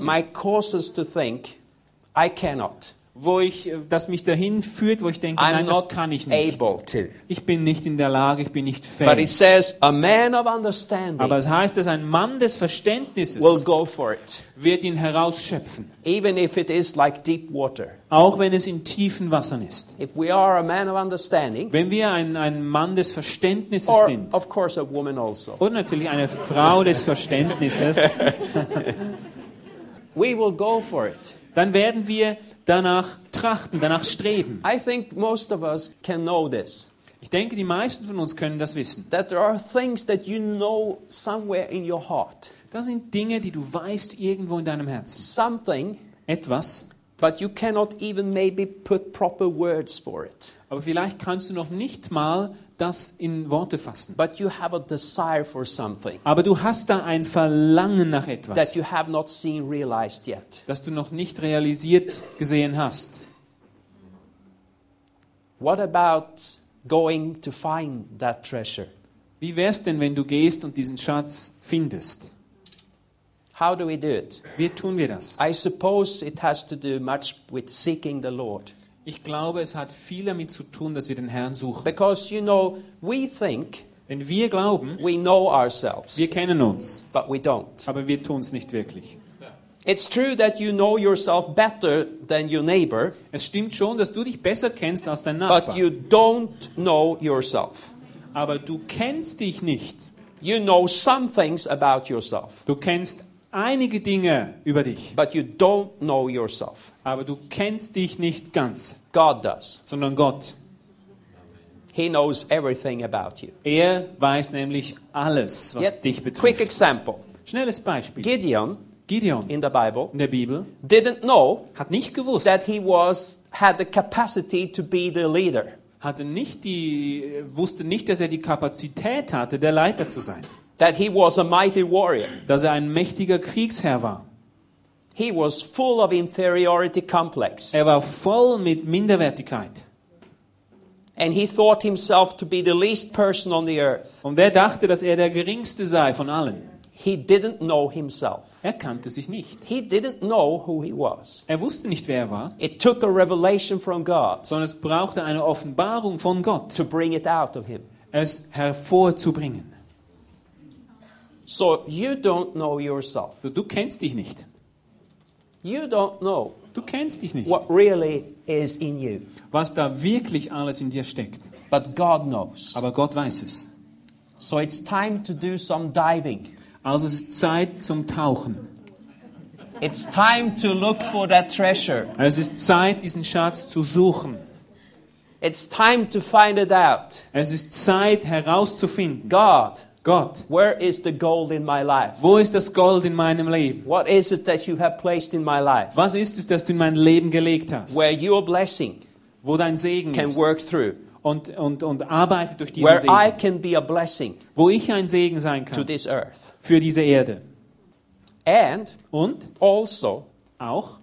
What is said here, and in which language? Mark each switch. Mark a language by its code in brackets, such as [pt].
[en] That might cause us to think I cannot. [de] Wo ich das mich dahin führt, wo ich denke, [en] I'm [de] nein, das kann ich nicht. [en] Able to. [de] Ich bin nicht in der Lage, ich bin nicht fähig. [en] But it says, a man of understanding. [de] Aber es heißt, dass ein Mann des Verständnisses [en] will go for it. [de] Wird ihn herausschöpfen. [en] Even if it is like deep water. [de] Auch wenn es in tiefen Wassern ist. [en] If we are a man of understanding, [de] wenn wir ein Mann des Verständnisses or, sind. [en] Of course a woman also. [de] Und natürlich eine Frau des Verständnisses. [en] We will go for it. [de] Dann werden wir danach trachten, danach streben. [en] I think most of us can know this. [de] Ich denke, die meisten von uns können das wissen. [en] That there are things that you know somewhere in your heart. [de] Das sind Dinge, die du weißt irgendwo in deinem Herzen. [en] Something. [de] Etwas. [en] But you cannot even maybe put proper words for it. [de] Aber vielleicht kannst du noch nicht mal das in Worte fassen. [en] But you have a desire for something. [de] Aber du hast da ein Verlangen nach etwas. [en] That you have not seen realized yet. [de] Das du noch nicht realisiert gesehen hast. [en] What about going to find that treasure? [de] Wie wär's denn, wenn du gehst und diesen Schatz findest? [en] How do we do it? [de] Wie tun wir das? [en] I suppose it has to do much with seeking the Lord. [de] Ich glaube, es hat viel damit zu tun, dass wir den Herrn suchen. [en] Because you know, we think, [de] wenn wir glauben, [en] we know ourselves, [de] wir kennen uns, [en] but we don't. [de] Aber wir tun's nicht wirklich. [en] It's true that you know yourself better than your neighbor. [de] Es stimmt schon, dass du dich besser kennst als dein Nachbar. [en] But you don't know yourself. [de] Aber du kennst dich nicht. [en] You know some things about yourself. [de] Du kennst einige Dinge über dich. [en] But you don't know yourself. [de] Aber du kennst dich nicht ganz. [en] God does. [de] Sondern Gott. [en] He knows everything about you. [de] Er weiß nämlich alles, was yep. dich betrifft. [en] Quick example. [de] Schnelles Beispiel. [en] Gideon in the Bible, [de] in der Bibel, [en] didn't know, [de] hat nicht gewusst, [en] that he was had the capacity to be the leader. [de] Wusste nicht, dass er die Kapazität hatte, der Leiter zu sein. [en] That he was a mighty warrior. [de] Dass er ein mächtiger Kriegsherr war. [en] He was full of inferiority complex. [de] Er war voll mit Minderwertigkeit. [en] And he thought himself to be the least person on the earth. [de] Und er dachte, dass er der geringste sei von allen. [en] He didn't know himself. [de] Er kannte sich nicht. [en] He didn't know who he was. [de] Er wusste nicht, wer er war. [en] It took a revelation from God. [de] Sondern es brauchte eine Offenbarung von Gott. [en] To bring it out of him. [de] Es hervorzubringen. [en] So you don't know yourself. [de] Du kennst dich nicht. [en] You don't know. [de] Du kennst dich nicht. [en] What really is in you. [de] Was da wirklich alles in dir steckt. [en] But God knows. [de] Aber Gott weiß es. [en] So it's time to do some diving. [de] Also es ist Zeit zum Tauchen. [en] It's time to look for that treasure. [de] Es ist Zeit, diesen Schatz zu suchen. [en] It's time to find it out. [de] Es ist Zeit herauszufinden. [en] God. God, where is the gold in my life? [de] Wo ist das Gold in meinem Leben? [en] What is it that you have placed in my life? [de] Was ist es, das du in mein Leben gelegt hast? [en] Where your blessing, [de] wo dein Segen [en] can [de] ist. [en] Work through. [de] Und arbeite durch diesen [en] where [de] Segen. [en] I can be a blessing, [de] wo ich ein Segen sein kann [en] to this earth. [de] Für diese Erde. [en] And [de] und [en] also [de] auch